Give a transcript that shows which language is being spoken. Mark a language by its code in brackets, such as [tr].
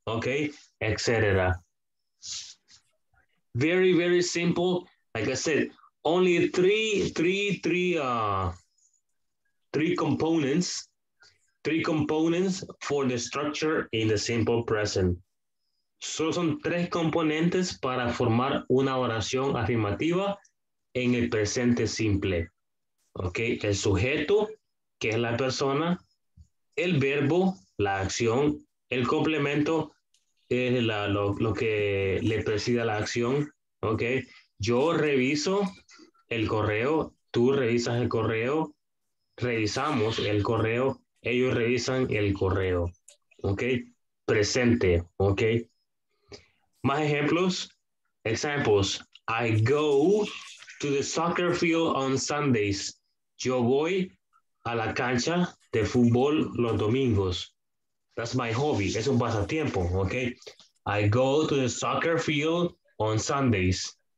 [en] Okay, etc. Very, very simple. Like I said, only three components for the structure in the simple present. [es] Solo son tres componentes para formar una oración afirmativa en el presente simple, ¿ok? El sujeto, que es la persona, el verbo, la acción, el complemento, es lo que le preside a la acción, ¿ok? Yo reviso el correo, tú revisas el correo, revisamos el correo, ellos revisan el correo, ¿ok? Presente, ¿ok? Más ejemplos, [en] examples, I go to the soccer field on Sundays. [es] Yo voy a la cancha de fútbol los domingos. [en] That's my hobby. [es] Es un pasatiempo, [en] okay? I go to the soccer field on Sundays.